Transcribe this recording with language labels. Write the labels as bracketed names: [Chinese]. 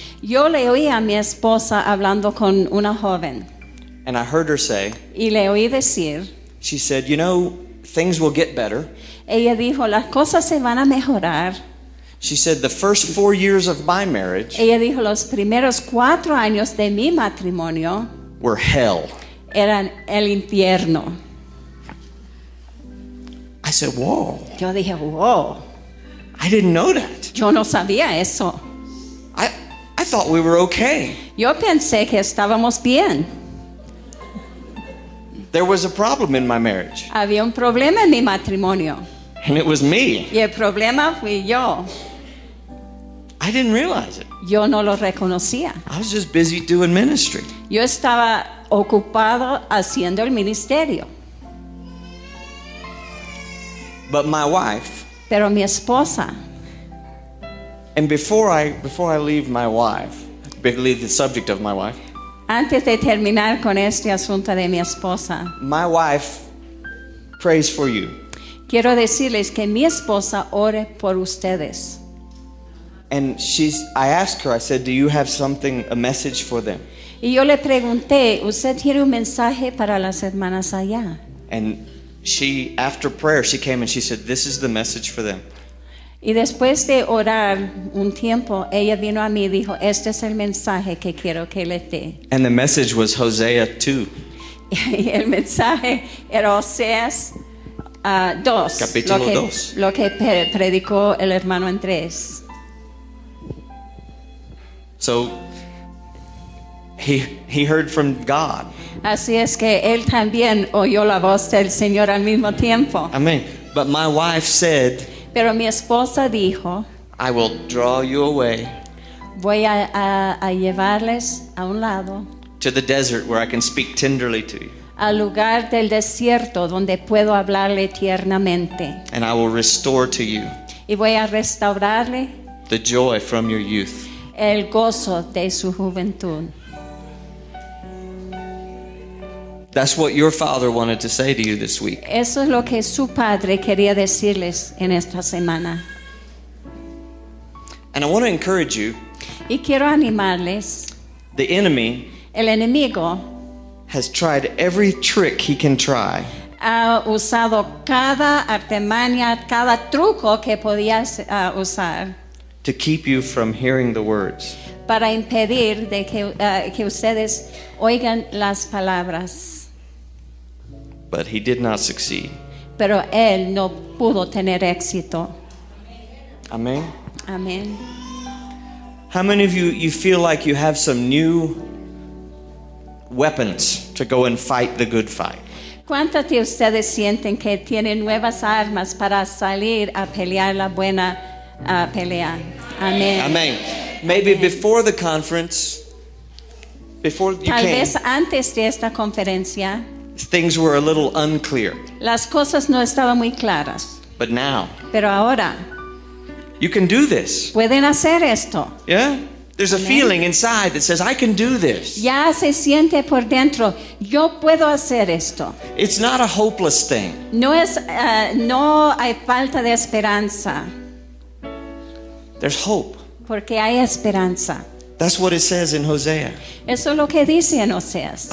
[Spanish] Yo le oí a mi esposa hablando con una joven. [English] And I heard her say. [Spanish] Y le oí decir. [English] She said, you know, things will get better. [Spanish] Ella dijo, las cosas se van a mejorar. [English] She said, the first 4 years of my marriage. [Spanish] Ella dijo, los primeros 4 años de mi matrimonio. [English] Were hell. [Spanish] Eran el infierno. [English] I said, whoa. [Spanish] Yo dije, whoa. [English] I didn't know that. [Spanish] Yo no sabía eso. [English] I thought we were okay. [Spanish] Yo pensé que estábamos bien. [English] There was a problem in my marriage. [Spanish] Había un problema en mi matrimonio. [English] And it was me. [Spanish] Y el problema fui yo. [English] I didn't realize it. [Spanish] Yo no lo reconocía. [English] I was just busy doing ministry. [Spanish] Yo estaba ocupado haciendo el ministerio. [English] But my wife. [Spanish] Pero mi esposa. [English] And before I leave my wife, leave the subject of my wife. [Spanish] Antes de terminar con este asunto de mi esposa, [English] my wife prays for you. [Spanish] Quiero decirles que mi esposa ore por ustedes. [English] And I asked her, I said, do you have something, a message for them? [Spanish] Y yo le pregunté, ¿usted tiene un mensaje para las hermanas allá? [English] And she, after prayer, she came and she said, this is the message for them. [Spanish] Y después de orar un tiempo, ella vino a mí y dijo, este es el mensaje que quiero que le dé. [English] And the message was Hosea 2. [Spanish] Y el mensaje era Oseas 2. Capítulo 2. Lo que predicó el hermano Andrés. [English] So, he heard from God. [Spanish] Así es que él también oyó la voz del Señor al mismo tiempo. [English] Amen. But my wife said, [Spanish] pero mi esposa dijo, [English] I will draw you away. [Spanish] Voy a llevarles a un lado. [English] To the desert where I can speak tenderly to you. [Spanish] Al lugar del desierto donde puedo hablarle tiernamente. [English] And I will restore to you. [Spanish] Y voy a restaurarle. [English] The joy from your youth. [Spanish] El gozo de su juventud. [English] That's what your father wanted to say to you this week. [Spanish] Eso es lo que su padre quería decirles en esta semana. [English] And I want to encourage you. [Spanish] Y quiero animarles. [English] The enemy. [Spanish] El enemigo. [English] Has tried every trick he can try. [Spanish] Ha usado cada artimaña, cada truco que podía usar. [English] To keep you from hearing the words. [Spanish] Para impedir de que ustedes oigan las palabras. [English] But he did not succeed. [Spanish] pero él no pudo tener éxito. Amén. Amén. [English] How many of you feel like you have some new weapons to go and fight the good fight? [Spanish] ¿Cuántos de ustedes sienten que tienen nuevas armas para salir a pelear la buena pelea? Amén. [English] Amén. Maybe Amen. Before the conference, before you [Spanish] Tal [English] came, [Spanish] vez antes de esta conferencia, [English] things were a little unclear. [Spanish] Las cosas no estaban muy claras. [English] But now, [Spanish] pero ahora, [English] you can do this. [Spanish] Pueden hacer esto. [English] Yeah? There's a Amen. Feeling inside that says, I can do this. [Spanish] Ya se siente por dentro, yo puedo hacer esto. [English] It's not a hopeless thing. [Spanish] No es, no hay falta de esperanza. [English] There's hope. [Spanish] Porque hay esperanza. [English] That's what it says in Hosea. [Spanish] Eso es lo que dice en Oseas.